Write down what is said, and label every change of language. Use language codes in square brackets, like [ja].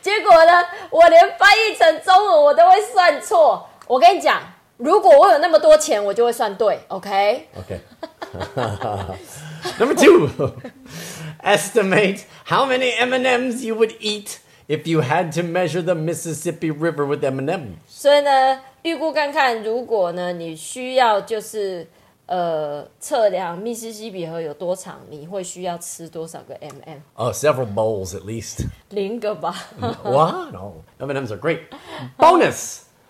[zh] 结果呢，我连翻译成中文我都会算错。我跟你讲，如果我有那么多钱，我就会算对 ，OK？ [en] OK. Number two, estimate how many M&Ms you would eat if you had to measure the Mississippi River with M&Ms. [zh] 所以呢，预估看看，如果呢你需要就是测量密西西比河有多长，你会需要吃多少个 M&M？ [en] Several bowls at least. [zh] 0个吧。 [en] What? No, M&Ms are great. Bonus.